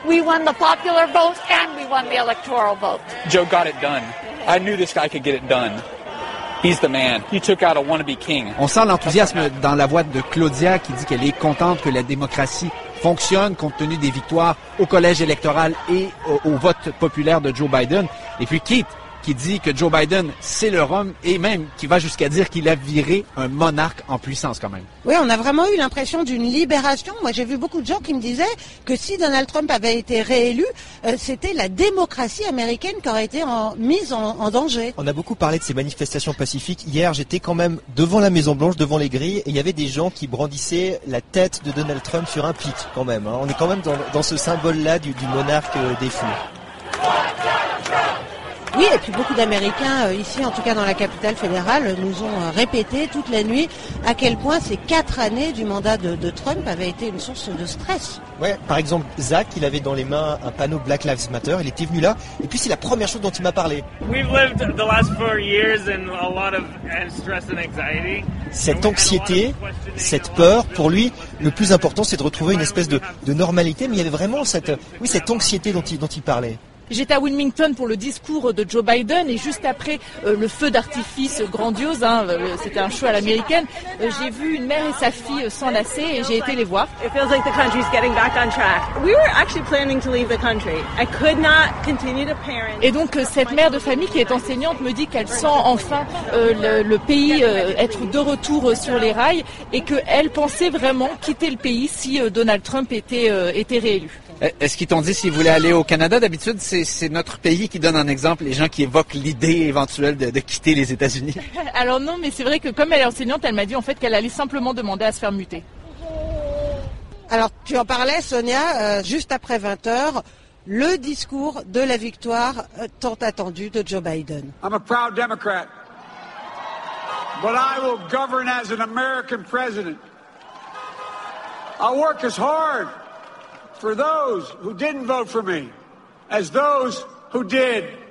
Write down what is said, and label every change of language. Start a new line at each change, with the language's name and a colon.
English: We won the popular vote and we won the electoral vote. Joe got it done. I knew this guy could get it done. He's the man. He took out a wannabe king.
French: On sent l'enthousiasme dans la voix de Claudia qui dit qu'elle est contente que la démocratie fonctionne compte tenu des victoires au collège électoral et au vote populaire de Joe Biden. Et puis Keith qui dit que Joe Biden, c'est le rhum et même qui va jusqu'à dire qu'il a viré un monarque en puissance quand même. Oui, on a vraiment eu l'impression d'une libération. Moi, j'ai vu beaucoup de gens qui me disaient que si Donald Trump avait été réélu, c'était la démocratie américaine qui aurait été mise en danger. On a beaucoup parlé de ces manifestations pacifiques. Hier, j'étais quand même devant la Maison Blanche, devant les grilles, et il y avait des gens qui brandissaient la tête de Donald Trump sur un pit quand même. Hein. On est quand même dans ce symbole-là du monarque défunt. Oui, et puis beaucoup d'Américains, ici, en tout cas dans la capitale fédérale, nous ont répété toute la nuit à quel point ces 4 années du mandat de Trump avaient été une source de stress. Ouais, par exemple, Zach, il avait dans les mains un panneau Black Lives Matter, il était venu là, et puis c'est la première chose dont il m'a parlé.
English: We've lived the last 4 years in a lot of stress and anxiety.
French: Cette anxiété, cette peur, pour lui, le plus important, c'est de retrouver une espèce de normalité, mais il y avait vraiment cette anxiété dont il parlait. J'étais à Wilmington pour le discours de Joe Biden et juste après le feu d'artifice grandiose, hein, c'était un show à l'américaine, j'ai vu une mère et sa fille s'enlacer et j'ai été les voir.
English: It feels like the country's getting back on track. We were actually planning to leave the country. I could not continue to parent.
French: Et donc cette mère de famille qui est enseignante me dit qu'elle sent enfin le pays être de retour sur les rails et qu'elle pensait vraiment quitter le pays si Donald Trump était réélu. Est-ce qu'ils t'ont dit s'ils voulaient aller au Canada? D'habitude, c'est notre pays qui donne un exemple, les gens qui évoquent l'idée éventuelle de quitter les États-Unis. Alors non, mais c'est vrai que comme elle est enseignante, elle m'a dit en fait qu'elle allait simplement demander à se faire muter. Alors, tu en parlais, Sonia, juste après 20h, le discours de la victoire tant attendue de Joe Biden.
English: I'm a proud Democrat, but I will govern as an American president. I'll work as hard for those who didn't vote for me, as those who did.